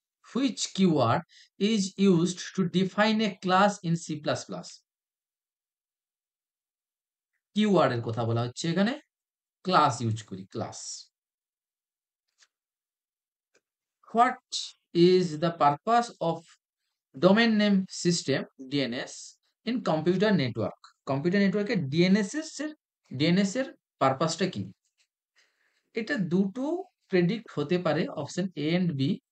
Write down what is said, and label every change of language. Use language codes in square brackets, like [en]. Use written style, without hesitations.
[en] which keyword is used to define a class in C plus plus, [bn] কিওয়ার্ডের কথা বলা হচ্ছে এখানে, ক্লাস ইউজ করি, class [en] What is the purpose of domain name system DNS in computer network? [bn] Computer network DNS এর পারপাসটা কি? এটা দুটো predict হতে পারে, অপশন এ এন্ড বি।